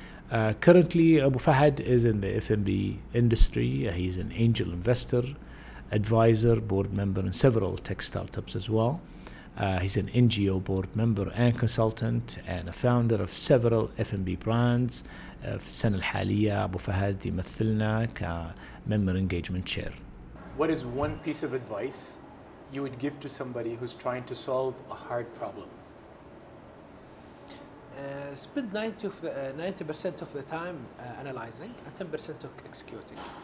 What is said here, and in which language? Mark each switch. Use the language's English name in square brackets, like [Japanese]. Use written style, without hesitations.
[English] Currently, Abu Fahad is in the F&B industry. He's an angel investor, advisor, board member in several tech startups as well. He's an NGO board member and consultant and a founder of several F&B brands. [Arabic] في السنة الحالية أبو فهد يمثلنا [English] كممبر engagement chair. What is one piece of advice you would give to somebody who's trying to solve a hard problem? Spend 90% of the time analyzing and 10% of executing.